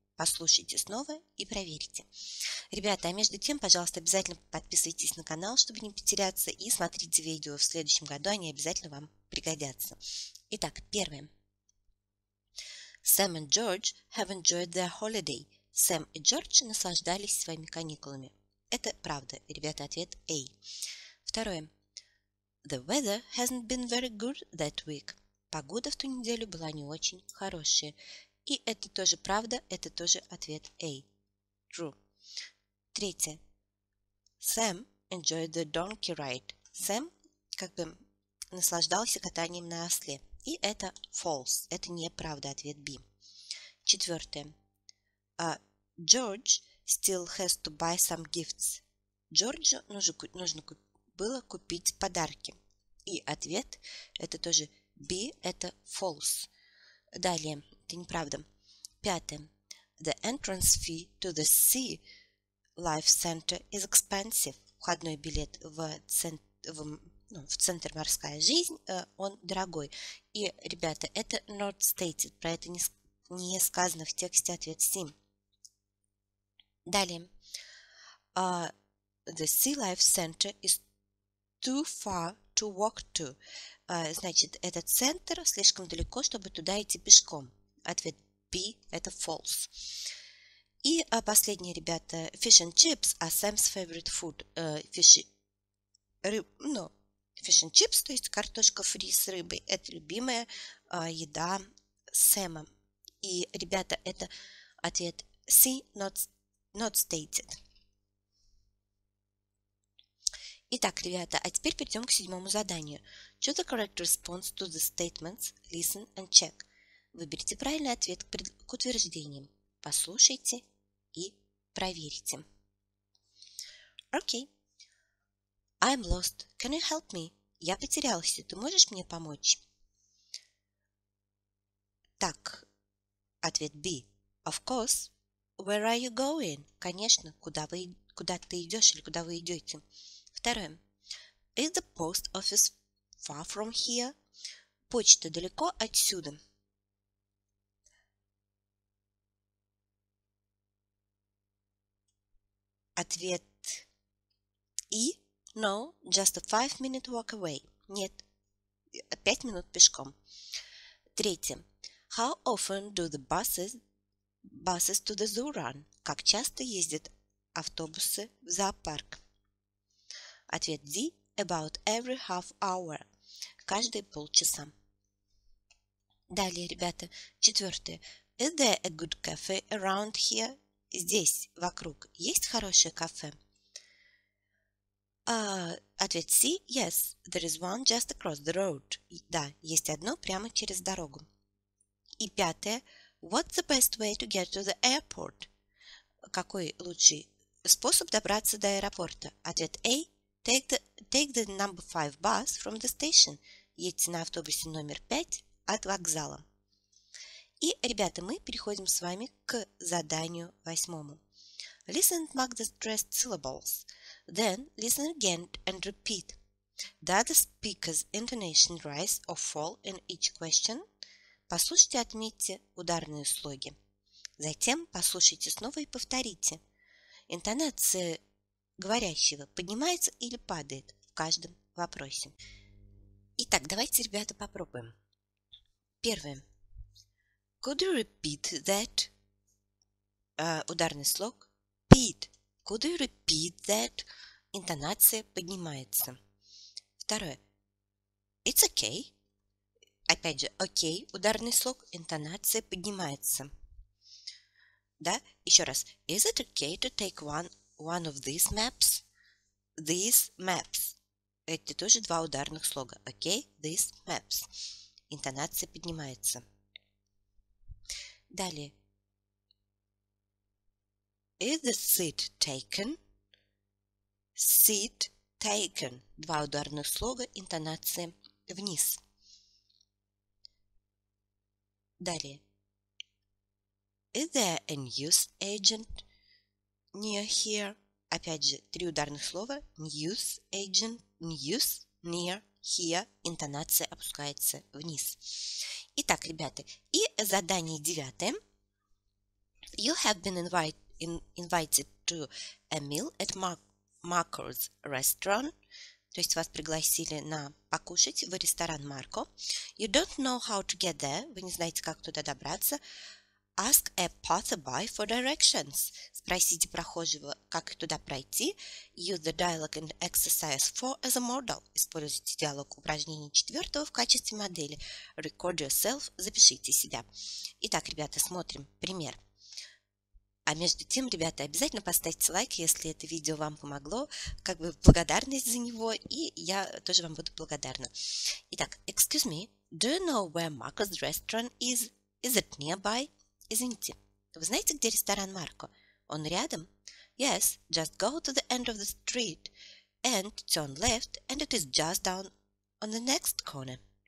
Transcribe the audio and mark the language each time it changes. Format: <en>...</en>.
<ru>Послушайте снова и проверьте. Ребята, а между тем, пожалуйста, обязательно подписывайтесь на канал, чтобы не потеряться, и смотрите видео в следующем году, они обязательно вам пригодятся. Итак, первое.</ru> <en>Sam and George have enjoyed their holiday.</en> <ru>Sam и Джордж наслаждались своими каникулами. Это правда, ребята, ответ A. Второе.</ru> <en>The weather hasn't been very good that week.</en> <ru>Погода в ту неделю была не очень хорошая. И это тоже правда, это тоже ответ A.</ru> <en>True.</en> <ru>Третье.</ru> <en>Sam enjoyed the donkey ride.</en> <ru>Sam как бы наслаждался катанием на осле. И это false. Это неправда, ответ B. Четвертое.</ru> <en>George still has to buy some gifts.</en> <ru>Джорджу нужно было купить подарки. И ответ, это тоже B, это false. Далее, это неправда. Пятое.</ru> <en>The entrance fee to the Sea Life Center is expensive.</en> <ru>Входной билет в центр морская жизнь, он дорогой. И, ребята, это</ru> <en>not stated,</en> <ru>про это не сказано в тексте ответ C. Далее.</ru> <en>The Sea Life Center is too far to walk to.</en> <ru>Значит, этот центр слишком далеко, чтобы туда идти пешком. Ответ B – это false. И последнее, ребята.</ru> <en>Fish and chips are Sam's favorite food. Fish and chips,</en> <ru>то есть картошка фри с рыбой, это любимая еда Сэма. И, ребята, это ответ C,</ru> <en>not stated.</en> <ru>Итак, ребята, а теперь перейдем к седьмому заданию.</ru> <en>Choose the correct response to the statements, listen and check.</en> <ru>Выберите правильный ответ к утверждениям. Послушайте и проверите.</ru> <en>Окей. Okay. I'm lost. Can you help me?</en> <ru>Я потерялся. Ты можешь мне помочь? Так, ответ B.</ru> <en>Of course. Where are you going?</en> <ru>Конечно, куда ты идешь или куда вы идете? Второе.</ru> <en>Is the post office far from here?</en> <ru>Почта далеко отсюда. Ответ E.</ru> <en>No, just a 5-minute walk away.</en> <ru>Нет, 5 минут пешком. Третье.</ru> <en>How often do the buses to the zoo run?</en> <ru>Как часто ездят автобусы в зоопарк? Ответ D.</ru> <en>About every half hour.</en> <ru>Каждые полчаса. Далее, ребята, четвертое.</ru> <en>Is there a good cafe around here?</en> <ru>Здесь, вокруг, есть хорошее кафе? Ответ C.</ru> <en>Yes, there is one just across the road.</en> <ru>Да, есть одно прямо через дорогу. И пятое.</ru> <en>What's the best way to get to the airport?</en> <ru>Какой лучший способ добраться до аэропорта? Ответ A.</ru> <en>Take the number 5 bus from the station.</en> <ru>Едьте на автобусе номер 5 от вокзала. И, ребята, мы переходим с вами к заданию восьмому.</ru> <en>Listen and mark the stressed syllables. Then listen again and repeat. Does the speaker's intonation rise or fall in each question?</en> <ru>Послушайте, отметьте ударные слоги. Затем послушайте снова и повторите. Интонация говорящего поднимается или падает в каждом вопросе. Итак, давайте, ребята, попробуем. Первое.</ru> <en>Could you repeat that?</en> <ru>Ударный слог.</ru> <en>Repeat. Could you repeat that?</en> <ru>Интонация поднимается. Второе.</ru> <en>It's okay.</en> <ru>Опять же, okay. Ударный слог. Интонация поднимается. Да? Еще раз.</ru> <en>Is it okay to take one of these maps? These maps.</en> <ru>Это тоже два ударных слога.</ru> <en>Okay. These maps.</en> <ru>Интонация поднимается. Далее.</ru> <en>Is the seat taken? Seat taken.</en> <ru>Два ударных слога, интонация вниз. Далее.</ru> <en>Is there a news agent near here?</en> <ru>Опять же, три ударных слова.</ru> <en>News, agent, news, near, here.</en> <ru>Интонация опускается вниз. Итак, ребята, и задание девятое.</ru> <en>You have been invited to a meal at Marco's restaurant.</en> <ru>То есть вас пригласили на покушать в ресторан Марко.</ru> <en>You don't know how to get there.</en> <ru>Вы не знаете, как туда добраться.</ru> <en>Ask a passerby for directions.</en> <ru>Спросите прохожего, как туда пройти.</ru> <en>Use the dialogue and exercise 4 as a model.</en> <ru>Используйте диалог упражнения 4 в качестве модели.</ru> <en>Record yourself.</en> <ru>Запишите себя. Итак, ребята, смотрим пример. А между тем, ребята, обязательно поставьте лайк, если это видео вам помогло. Как бы благодарность за него. И я тоже вам буду благодарна.</ru> <en>Итак, excuse me. Do you know where Marco's restaurant is? Is it nearby?</en> <ru>Извините, вы знаете, где ресторан Марко? Он рядом?</ru> <en>Yes, just go to the end of the street and turn left, and it is just down on the next corner.</en>